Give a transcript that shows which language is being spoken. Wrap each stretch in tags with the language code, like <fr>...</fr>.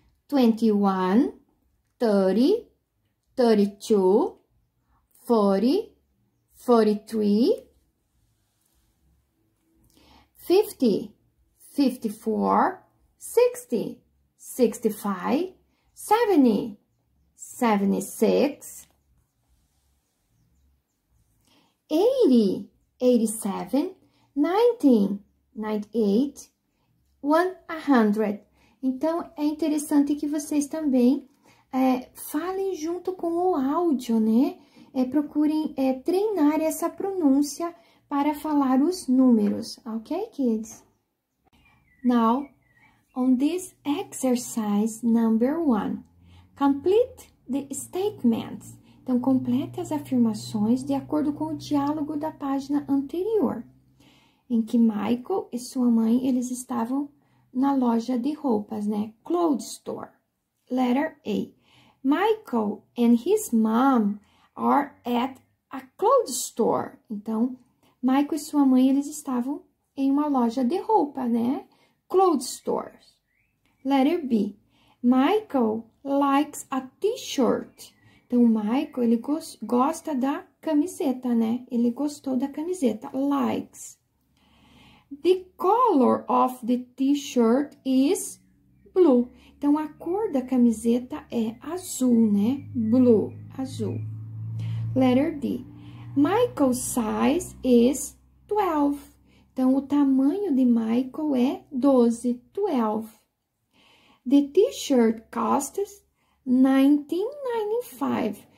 <en>21, 30, 32, 40, 43, 50, 54, 60, 65, 70, 76, 80, 87, 90, 98, 100.</en> <pt>Então, é interessante que vocês também falem junto com o áudio, né? Procurem treinar essa pronúncia para falar os números,</pt> <en>ok, kids? Now, on this exercise number one, complete the statements.</en> <pt>Então, complete as afirmações de acordo com o diálogo da página anterior, em que Michael e sua mãe, eles estavam na loja de roupas, né?</pt> <en>Clothes store. Letter A. Michael and his mom are at a clothes store.</en> <pt>Então, Michael e sua mãe, eles estavam em uma loja de roupa, né?</pt> <en>Clothes stores. Letter B. Michael likes a t-shirt.</en> <pt>Então, Michael, ele gosta da camiseta, né? Ele gostou da camiseta. Likes.</pt> <en>The color of the t-shirt is blue.</en> <pt>Então, a cor da camiseta é azul, né?</pt> <en>Blue,</en> <pt>azul.</pt> <en>Letter D. Michael's size is 12.</en> <pt>Então, o tamanho de Michael é 12. 12.</pt> <en>The t-shirt costs 19.95.</en>